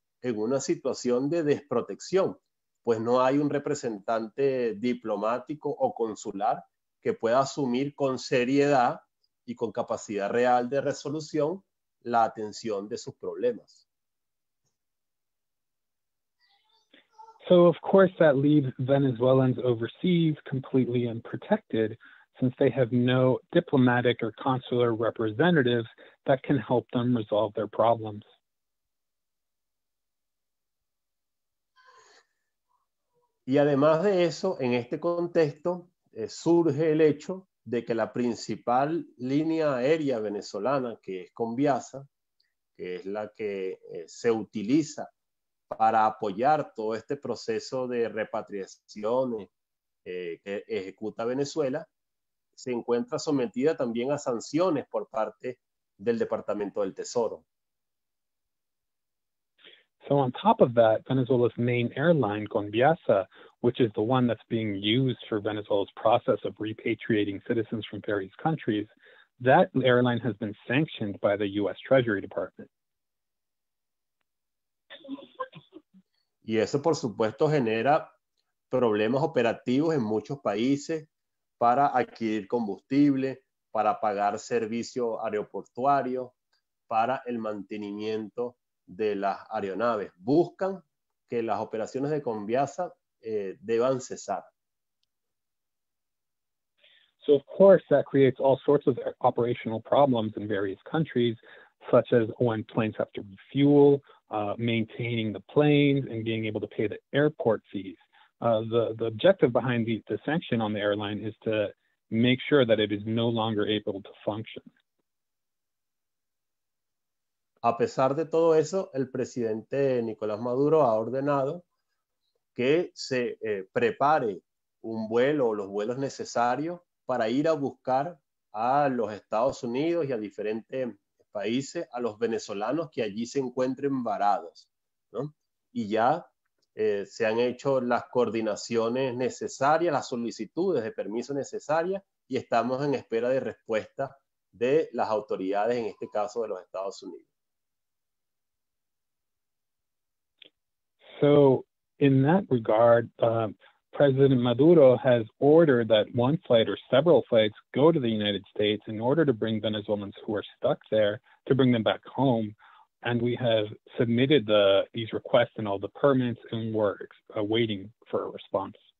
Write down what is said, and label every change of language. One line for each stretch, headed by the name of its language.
Spanish: en una situación de desprotección, pues no hay un representante diplomático o consular que pueda asumir con seriedad y con capacidad real de resolución la atención de sus problemas.
English: So of course that leaves Venezuelans overseas completely unprotected, since they have no diplomatic or consular representatives that can help them resolve their problems.
Spanish: Y además de eso, en este contexto, surge el hecho de que la principal línea aérea venezolana, que es Conviasa, que es la que se utiliza para apoyar todo este proceso de repatriaciones que ejecuta Venezuela, se encuentra sometida también a sanciones por parte del Departamento del Tesoro.
English: So on top of that, Venezuela's main airline, Conviasa, which is the one that's being used for Venezuela's process of repatriating citizens from various countries, that airline has been sanctioned by the U.S. Treasury Department.
Spanish: Y eso, por supuesto, genera problemas operativos en muchos países para adquirir combustible, para pagar servicio aeroportuario, para el mantenimiento de las aeronaves. Buscan que las operaciones de Conviasa deban cesar.
English: So of course that creates all sorts of operational problems in various countries, such as when planes have to refuel, maintaining the planes and being able to pay the airport fees. The objective behind the sanction on the airline is to make sure that it is no longer able to function.
Spanish: A pesar de todo eso, el presidente Nicolás Maduro ha ordenado que se prepare un vuelo o los vuelos necesarios para ir a buscar a los Estados Unidos y a diferentes países, a los venezolanos que allí se encuentren varados, ¿no? Y ya se han hecho las coordinaciones necesarias, las solicitudes de permiso necesarias, y estamos en espera de respuesta de las autoridades, en este caso de los Estados Unidos.
English: So in that regard, President Maduro has ordered that one flight or several flights go to the United States in order to bring Venezuelans who are stuck there, to bring them back home. And we have submitted these requests and all the permits and we're waiting for a response.